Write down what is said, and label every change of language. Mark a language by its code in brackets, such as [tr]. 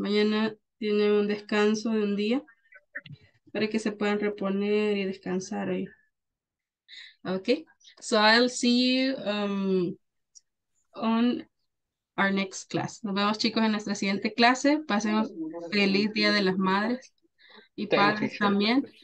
[es] Mañana tiene un descanso de un día para que se puedan reponer y descansar hoy. [en] Okay, so I'll see you on our next class. [es] Nos vemos, chicos, en nuestra siguiente clase. Pasen un feliz Día de las Madres y padres también.